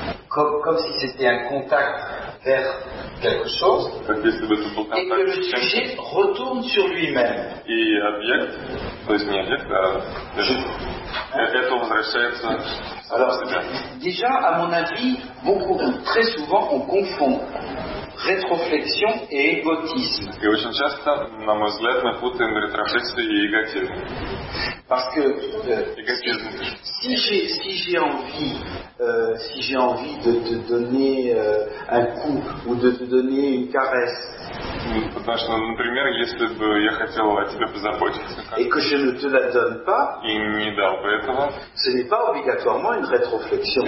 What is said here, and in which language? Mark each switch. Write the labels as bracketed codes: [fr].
[fr] Comme si c'était un contact vers quelque chose, et que le sujet retourne sur lui-même. [ru] Et объект, то есть не объект, а это возвращается. [fr] Alors, déjà, à mon avis, beaucoup, très souvent, on confond rétroflexion et égotisme. [ru] И очень часто, на мой взгляд, мы путаем рétroflexion и эготизм. [fr] Parce que si j'ai envie de te donner un coup ou de te donner une caresse. [ru] Потому что, например, если бы я хотел о тебе позаботиться. [fr] Et que je ne te la donne pas. [ru] И не дал бы этого. [fr] Ce n'est pas obligatoirement une rétroflexion.